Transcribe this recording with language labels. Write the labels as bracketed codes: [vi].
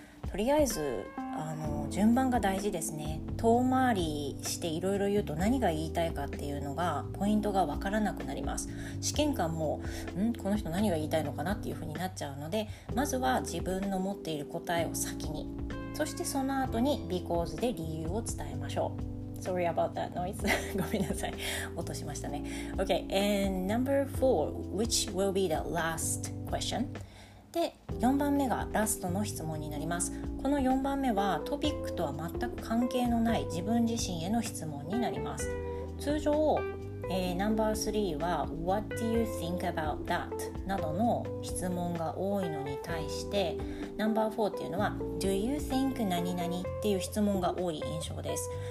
[ja] とりあえず順番が大事ですね。遠回りしていろいろ言うと何が言いたいかっていうのがポイントが分からなくなります。試験官もんこの人何が言いたいのかなっていうふうになっちゃうので、まずは自分の持っている答えを先に、そしてその後に because で理由を伝えましょう。 [en] Sorry about that noise. [ja] ごめんなさい、落としましたね。 [en] Okay, and number four, which will be the last question? [ja] で、4番目がラストの質問になります。この4番目はトピックとは全く関係のない自分自身への質問になります。通常、ナンバー3は [en] What do you think about that? [ja] などの質問が多いのに対して、ナンバー4っていうのは [en] Do you think [ja] 何々っていう質問が多い印象です。